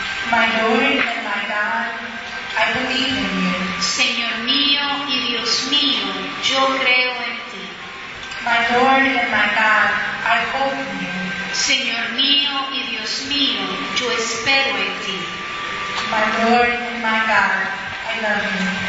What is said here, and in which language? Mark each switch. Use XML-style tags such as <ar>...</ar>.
<en>My Lord and my God, I believe in you.</en> <es>Señor mío y Dios mío, yo creo en ti.</es> <en>My Lord and my God, I hope in you.</en> <es>Señor mío y Dios mío, yo espero en ti.</es> <en>My Lord and my God, I love you.</en>